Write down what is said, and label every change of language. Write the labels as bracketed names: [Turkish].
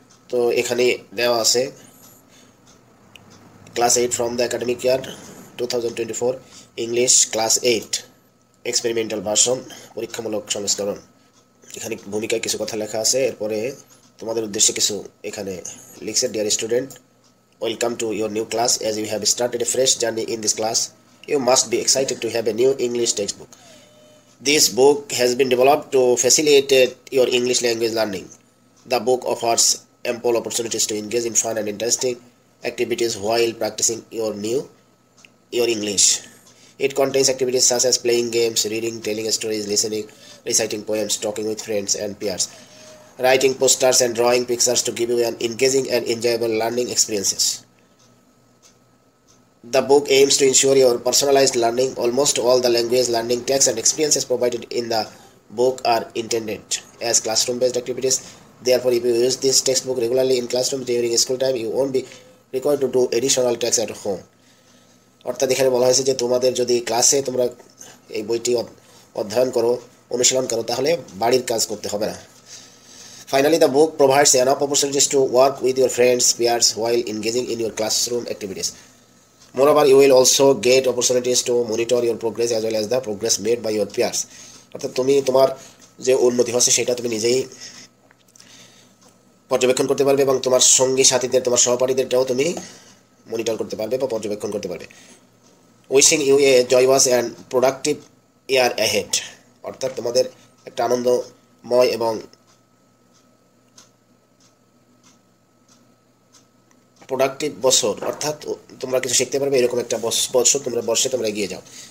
[Bangla] তো এখানে দেওয়া আছে [English] class 8 from the academic year 2024 English class 8 experimental version, [Bangla] পরীক্ষামূলক সংস্করণ। এখানে ভূমিকায় কিছু কথা লেখা আছে, এরপরে তোমাদের উদ্দেশ্যে কিছু এখানে লিখছে। [English] Dear student, Welcome to your new class. As you have started a fresh journey in this class, you must be excited to have a new English textbook. This book has been developed to facilitate your English language learning. The book offers ample opportunities to engage in fun and interesting activities while practicing your English. It contains activities such as playing games, reading, telling stories, listening, reciting poems, talking with friends and peers, writing posters and drawing pictures to give you an engaging and enjoyable learning experiences. The book aims to ensure your personalized learning. Almost all the language learning texts and experiences provided in the book are intended as classroom-based activities. Therefore, if you use this textbook regularly in classroom during school time, you won't be required to do additional texts at home. [Bangla] অর্থাৎ এখানে বলা হয়েছে যে তোমাদের যদি ক্লাসে তোমরা এই বইটি অধ্যয়ন করো, অনুশীলন করো, তাহলে বাড়ির কাজ করতে হবে না। [English] Finally, the book provides enough opportunities to work with your friends, peers, while engaging in your classroom activities. Moreover, you will also get opportunities to monitor your progress as well as the progress made by your peers. [Bangla] অর্থাৎ তুমি তোমার যে উন্নতি হচ্ছে সেটা তুমি নিজেই পর্যবেক্ষণ করতে পারবে, এবং তোমার সঙ্গী সাথীদের, তোমার সহপাঠীদেরটাও তুমি মনিটর করতে পারবে বা পর্যবেক্ষণ করতে পারবে। [English] wishing you a joyous and productive year ahead, [Bangla] অর্থাৎ তোমাদের একটা আনন্দময় এবং প্রোডাক্টিভ বছর, অর্থাৎ তোমরা কিছু শিখতে পারবে এরকম একটা বছর, তোমরা বর্ষে তোমরা এগিয়ে যাও।